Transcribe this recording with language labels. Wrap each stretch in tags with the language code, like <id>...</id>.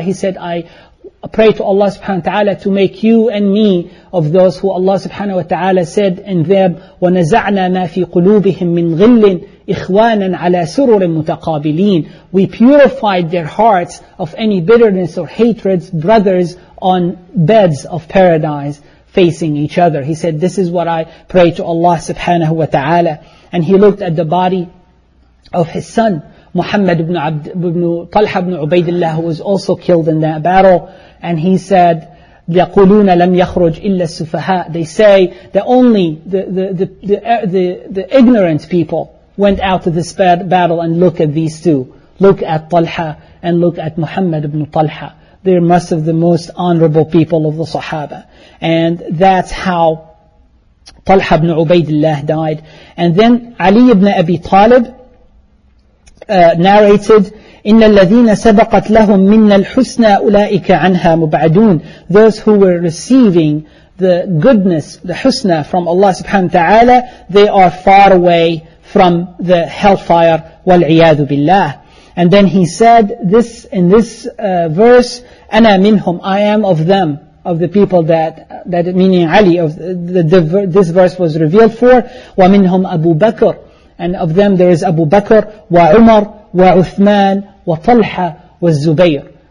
<en>He said, "I pray to Allah subhanahu wa ta'ala to make you and me of those who Allah subhanahu wa ta'ala said in them,</en> <ar>وَنَزَعْنَا مَا فِي قُلُوبِهِمْ مِنْ غِلٍّ إِخْوَانًا عَلَىٰ سُرُرٍ مُتَقَابِلِينَ.</ar> <en>We purified their hearts of any bitterness or hatreds, brothers on beds of paradise facing each other. He said, this is what I pray to Allah subhanahu wa ta'ala. And he looked at the body of his son, Muhammad ibn Talha ibn Ubaidillah, who was also killed in that battle. And he said,</en> <ar>يقولون لم يخرج إلا السفهاء.</ar> <en>They say that only the ignorant people went out to this battle and look at these two. Look at Talha and look at Muhammad ibn Talha. They are most of the most honorable people of the Sahaba. And that's how Talha ibn Ubaidillah died. And then Ali ibn Abi Talib narrated,</en> <ar>إِنَّ الَّذِينَ سَبَقَتْ لَهُمْ مِنَّ الْحُسْنَى أُولَٰئِكَ عَنْهَا مُبْعَدُونَ.</ar> <en>Those who were receiving the goodness, the husna from Allah subhanahu wa ta'ala, they are far away from the hellfire</en> <ar>وَالْعِيَاذُ بِاللَّهِ.</ar> <en>And then he said this in this verse,</en> <ar>أَنَا مِنْهُمْ,</ar> <en>I am of them, of the people that meaning Ali, of this verse was revealed for,</en> <ar>وَمِنْهُمْ أَبُو بَكْر,</ar> <en>and of them there is Abu Bakr,</en> <ar>وَعُمَر, وَعُثْمَان, وَطَلْحَ, وَالزُّبَيْر.</ar>